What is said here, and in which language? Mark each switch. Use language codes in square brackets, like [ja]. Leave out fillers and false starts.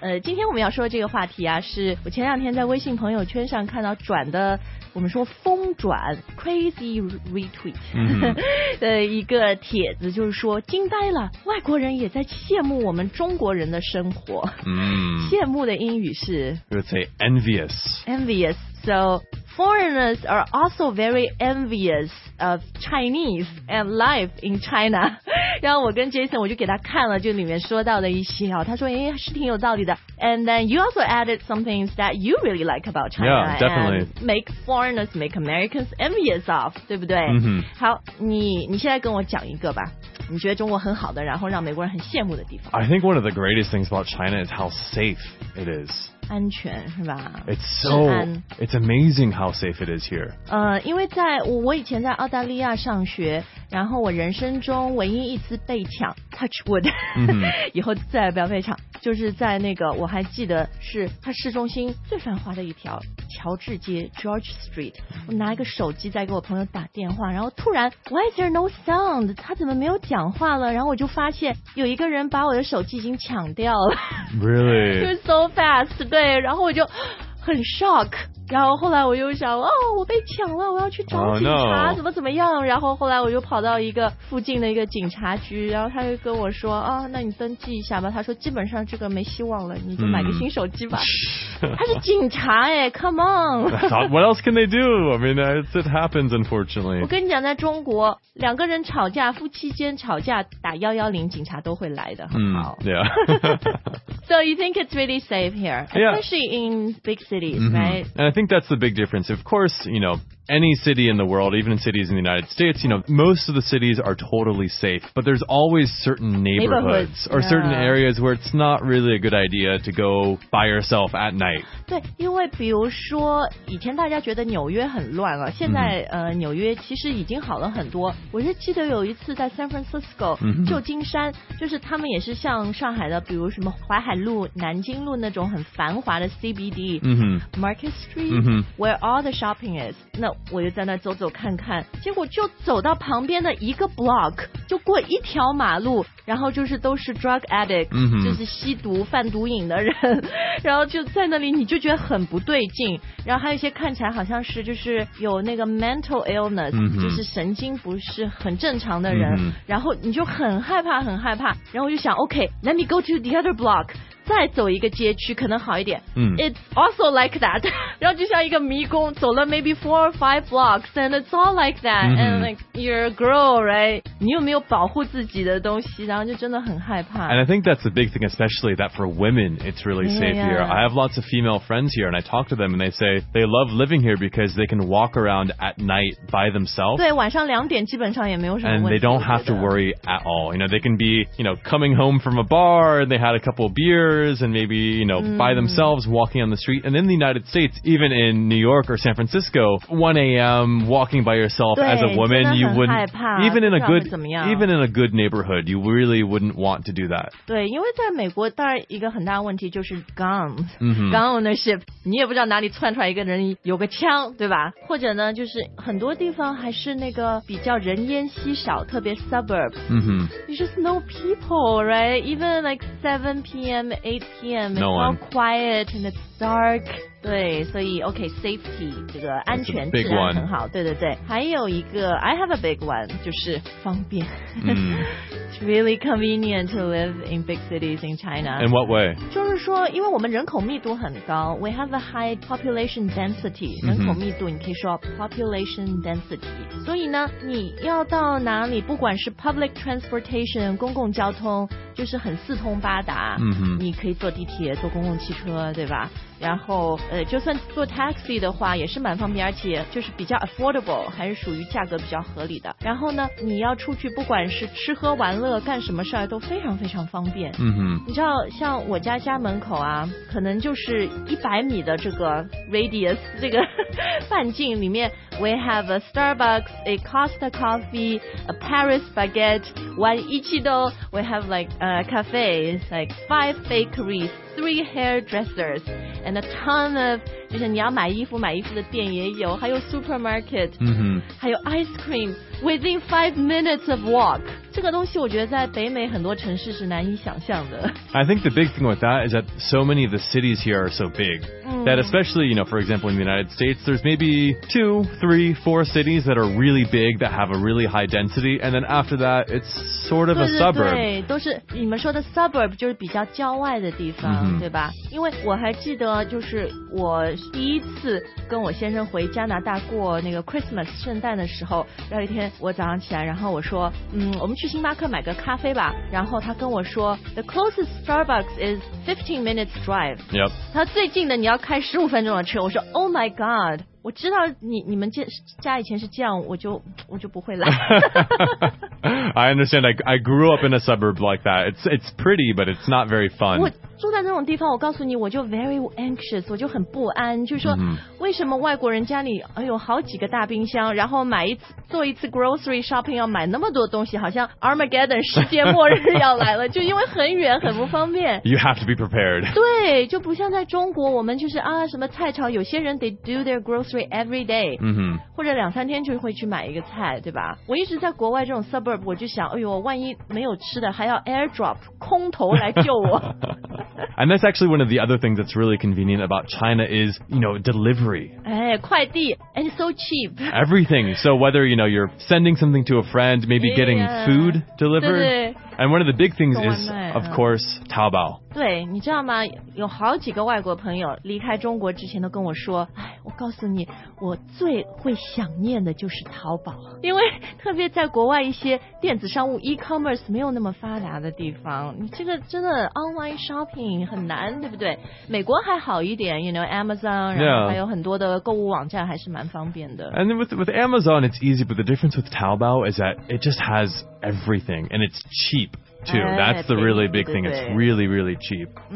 [zh] 今天我们要说的这个话题啊，是我前两天在微信朋友圈上看到转的，我们说疯转 [en] crazy retweet [zh] 的一个帖子，就是说惊呆了，外国人也在羡慕我们中国人的生活。嗯，羡慕的英语是 [en] would say envious. Envious. So foreigners are also very envious of Chinese and life in China. [zh] 然后我跟 Jason 我就给他看了，就里面说到的一些啊，他说哎是挺有道理的。 [en] And then you also added some things that you really like about China. Yeah, definitely. And make foreigners, make Americans envious of, [zh] 对不对？嗯、mm-hmm. 好，你现在跟我讲一个吧。你觉得中国很好的，然后让美国人很羡慕的地方。 [en] I think one of the greatest things about China is how safe it is. [zh] 安全是吧？ [en] It's amazing how safe it is here. [zh] 因为在我以前在澳大利亚上学，然后我人生中唯一一次被抢 ， [en] touch wood，、 mm-hmm. [zh] 以后再也不要被抢。就是在那个我还记得是它市中心最繁华的一条乔治街 George Street， 我拿一个手机在给我朋友打电话，然后突然 [en] Why is there no sound？ [zh] 他怎么没有讲话了？然后我就发现有一个人把我的手机已经抢掉了。 [en] Really？ It was so fast， [zh] 对，然后我就很 shock。然后后来我又想哦我被抢了，我要去找警察、 [en] oh, no. [zh] 怎么怎么样，然后后来我又跑到一个附近的一个警察局，然后他就跟我说啊、哦、那你登记一下吧，他说基本上这个没希望了，你就买个新手机吧、 mm. 他是警察耶 [en] come on what else can they do I mean it happens unfortunately [zh] 我跟你讲在中国两个人吵架夫妻间吵架打110警察都会来的、 mm. 好 [en] yeah so you think it's really safe here especially in big cities、 mm-hmm. right I think that's the big difference. Of course, you know, any city in the world, even in cities in the United States, you know, most of the cities are totally safe. But there's always certain neighborhoods or certain areas where it's not really a good idea to go by yourself at night. [zh] 对，因为比如说以前大家觉得纽约很乱了，现在、mm-hmm. 纽约其实已经好了很多。我是记得有一次在 San Francisco， 旧金山， mm-hmm. 就是他们也是像上海的，比如什么淮海路、南京路那种很繁华的 CBD、 mm-hmm. [en] Market Street、mm-hmm. where all the shopping is. [zh] 那我就在那走走看看，结果就走到旁边的一个 block， 就过一条马路，然后就是都是 drug addict，、 mm-hmm. 就是吸毒贩毒瘾的人，然后就在那里你就觉得很不对劲，然后还有一些看起来好像是就是有那个 mental illness，、 mm-hmm. 就是神经不是很正常的人， mm-hmm. 然后你就很害怕很害怕，然后我就想 OK， [en] let me go to the other block。 [zh] 再走一个街区可能好一点、 mm. [en] It's also like that [zh] 然后就像一个迷宫走了 [en] maybe 4 or 5 blocks and it's all like that、 mm-hmm. and like you're a girl right [zh] 你有没有保护自己的东西然后就真的很害怕 [en] and I think that's the big thing especially that for women it's really safe here I have lots of female friends here and I talk to them and they say they love living here because they can walk around at night by themselves [zh] 对晚上两点基本上也没有什么问题 [en] and they don't have to worry at all you know they can be you know coming home from a bar and they had a couple of beersand maybe, you know,、mm. by themselves walking on the street. And in the United States, even in New York or San Francisco, 1 a.m. walking by yourself as a woman, you wouldn't, even in a good neighborhood, you really wouldn't want to do that. [zh] 对，因为在美国，当然一个很大的问题就是 gun ownership. 你也不知道哪里窜出来一个人有个枪，对吧？或者呢，就是很多地方还是那个比较人烟稀少，特别 suburb. [en] There's just no people, right? Even like 7 p.m. 8 p.m. No one. How quiet and it's dark. [zh] 对，所以 OK safety 这个安全质量很好。对对对，还有一个 [en] I have a big one [zh] 就是方便。 [en] It's really convenient to live in big cities in China. In what way? [zh] 就是说，因为我们人口密度很高 ， [en] we have a high population density. [zh] 人口密度，你可以说 population density. 所以呢，你要到哪里，不管是 public transportation 公共交通，就是很四通八达。嗯哼，你可以坐地铁，坐公共汽车，对吧？然后就算坐 taxi 的话也是蛮方便而且就是比较 affordable 还是属于价格比较合理的然后呢你要出去不管是吃喝玩乐干什么事儿都非常非常方便嗯哼你知道像我家门口啊可能就是100米的这个 radius 这个半径里面 [en] we have a Starbucks a Costa coffee a Paris baguette one Ichido we have like a cafe it's like 5 bakeries 3 hairdressersAnd a ton of, [zh] 就是你要买衣服，买衣服的店也有，还有 supermarket，、 mm-hmm. 还有 [en] ice cream within 5 minutes of walk. [zh] 这个东西我觉得在北美很多城市是难以想象的。 [en] I think the big thing with that is that so many of the cities here are so big. That especially, you know, for example, in the United States, there's maybe 2, 3, 4 cities that are really big, that have a really high density. And then after that, it's sort of a suburb. [zh] 对对对，都是你们说的 suburb 就是比较郊外的地方、mm-hmm. 对吧？因为我还记得就是我第一次跟我先生回加拿大过那个 Christmas 圣诞的时候，有一天我早上起来，然后我说我们去星巴克买个咖啡吧，然后他跟我说 [en] The closest Starbucks is 15 minutes drive. Yep. [zh] 他最近的你要开十五分钟的车，我说 [en] Oh my God！ [zh] 我知道你们家以前是这样，我就不会来。 [en] I understand. I grew up in a suburb like that. It's pretty, but it's not very fun. [zh] 我住在那种地方，我告诉你，我就 [en] very anxious， [zh] 我就很不安。就是说， mm-hmm. 为什么外国人家里哎呦好几个大冰箱，然后买一次做一次 grocery shopping 要买那么多东西，好像 Armageddon 世界末日要来了，就因为很远很不方便。 [en] You have to be prepared. [zh] 对，就不像在中国，我们就是啊什么菜场，有些人 [en] they do their grocery every day，、 mm-hmm. [zh] 或者两三天就会去买一个菜，对吧？我一直在国外这种 suburb， 我就想，哎呦，万一没有吃的，还要 airdrop 空投来救我。 [en] And that's actually one of the other things that's really convenient about China is, you know, delivery. [zh] 哎，快递 [en] and so cheap. Everything. So whether, you know, you're sending something to a friend, maybe getting food delivered. [zh] 对对。 [en] And one of the big things is, of course, Taobao. [zh] 对，你知道吗？有好几个外国朋友离开中国之前都跟我说，哎，我告诉你，我最会想念的就是淘宝，因为特别在国外一些电子商务 e-commerce 没有那么发达的地方，你这个真的 online shopping 很难，对不对？美国还好一点 ， [en] you know Amazon， [zh] 然后还有很多的购物网站还是蛮方便的。 [en] And with Amazon, it's easy, but the difference with Taobao is that it just has everything and it's cheap too. That's the really big thing. It's really, really cheap.